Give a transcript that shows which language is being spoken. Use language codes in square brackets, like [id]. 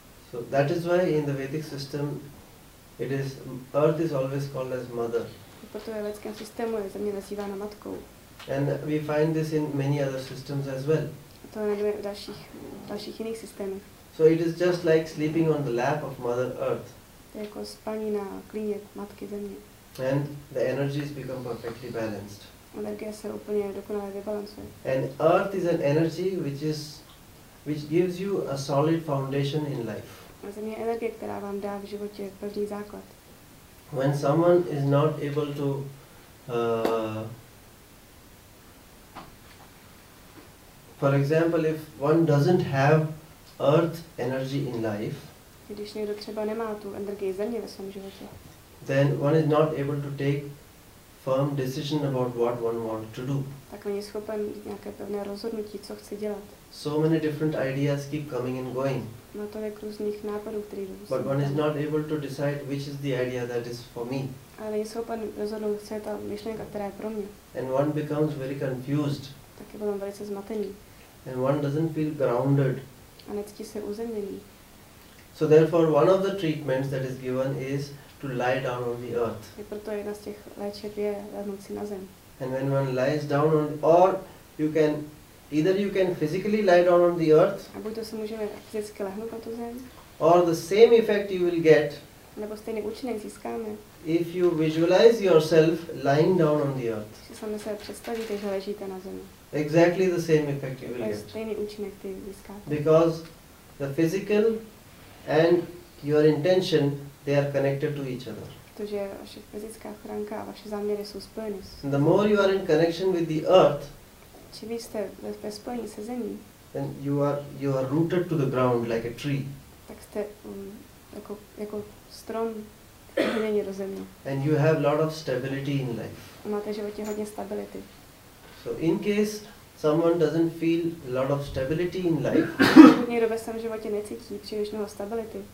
[en] So that is why in the Vedic system, it is earth is always called as mother. [cs] Proto ve vedském systému je země nazývána matkou. [en] And we find this in many other systems as well. [cs] To najdeme v dalších jiných systémech. [en] So it is just like sleeping on the lap of Mother Earth. [cs] Jako spaní na klíně matky země. [en] And the energies become perfectly balanced. [cs] Energie se úplně dokonale vybalancuje. [en] And Earth is an energy which gives you a solid foundation in life. [cs] A země je energie, která vám dá v životě pevný základ. [en] When someone is not able to for example, if one doesn't have Earth energy in life, [cs] když někdo třeba nemá tu energii země ve svém životě, [en] then one is not able to take firm decision about what one wants to do. [cs] Tak není schopen nějaké pevné rozhodnutí, co chce dělat. [en] So many different ideas keep coming and going. [cs] Má tolik různých nápadů, které jdou. [en] But one is not able to decide which is the idea that is for me. [cs] Ale není schopen rozhodnout, co je ta myšlenka, která je pro mě. [en] And one becomes very confused. [cs] Tak je potom velice zmatený. [en] And one doesn't feel grounded. [cs] A necítí se uzemněný. [en] So therefore one of the treatments that is given is to lie down on the earth. [cs] Je proto jedna z těch léčeb je lehnout si na zem. [en] And when one lies down on, or you can, either you can physically lie down on the earth. [cs] A buď to se můžeme fyzicky lehnout na tu zem. [en] Or the same effect you will get. [cs] Nebo stejný účinek získáme. [en] If you visualize yourself lying down on the earth. [cs] Že sami se představíte, že ležíte na zemi. [en] Exactly the same effect you will get. [cs] Stejný účinek ty získáte. [en] Because the physical and your intention, they are connected to each other. [cs] Protože vaše fyzická ochranka a vaše záměry jsou spojeny. [en] The more you are in connection with the earth, [cs] čím jste ve spojení se zemí, [en] then you are rooted to the ground like a tree. [cs] Tak jste jako strom vyhnění do země. [en] And you have lot of stability in life. [cs] A máte v životě hodně stability. [en] So in case someone doesn't feel a lot of stability in life, [cs] někdo ve svém životě necítí příliš mnoho stability,